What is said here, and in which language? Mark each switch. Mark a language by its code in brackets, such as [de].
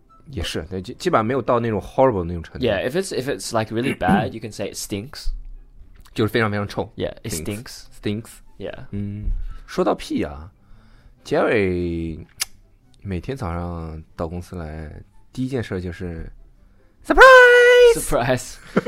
[zh] 也是，对，基本上没有到那种 horrible 那种程度。 [en] Yeah, if it's like really bad, you can say it stinks. [zh] 就是非常非常臭。 [en] Yeah, it stinks. Stinks. Yeah. [zh] 说到屁啊， Jerry 每天早上到公司来，第一件事就是 Surprise!